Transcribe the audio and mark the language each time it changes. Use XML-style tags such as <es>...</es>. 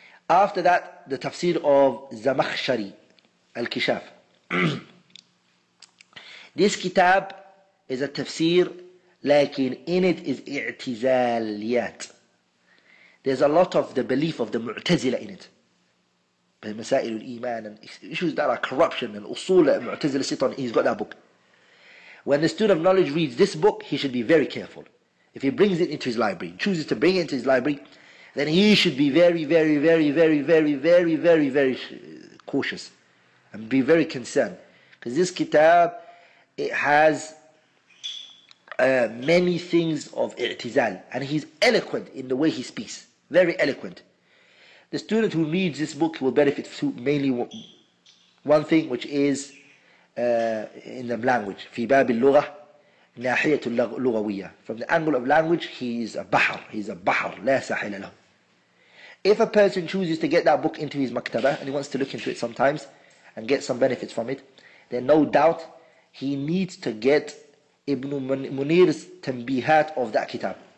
<en>After that, the Tafsir of Zamakhshari, Al-Kishaf. This Kitab is a Tafsir, lakin in it is I'tizaliyat. There's a lot of the belief of the Mu'tazila in it. مسائل الإيمان and issues that are corruption and أصول المعتزلة الشيطان. He's got that book. When the student of knowledge reads this book, he should be very careful. If he brings it into his library, chooses to bring it into his library, then he should be very, very, very, very, very, very, very, very cautious and be very concerned. Because this kitab, it has many things of i'tizal. And he's eloquent in the way he speaks. Very eloquent. The student who reads this book will benefit through mainly one thing, which is in the language.</en> <ar>في باب اللغة ناحية اللغوية.</ar> <en>From the angle of language, he is a bahar. He is a bahar. لا ساحل له. If a person chooses to get that book into his maktaba and he wants to look into it sometimes and get some benefits from it, then no doubt he needs to get Ibn Munir's tanbihat of that kitab.</en>